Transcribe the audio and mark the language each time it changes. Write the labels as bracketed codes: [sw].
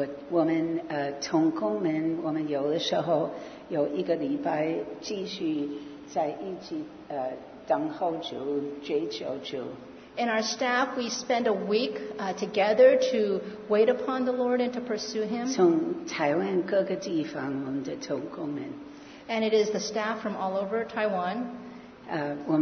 [zh] 我们同工们，我们有的时候有一个礼拜继续在一起等候主，追求主。 [en] And our staff, we spend a week together to wait upon the Lord and to pursue Him. [zh] 从台湾各个地方，我们的同工们。 [en] And it is the staff from all over Taiwan.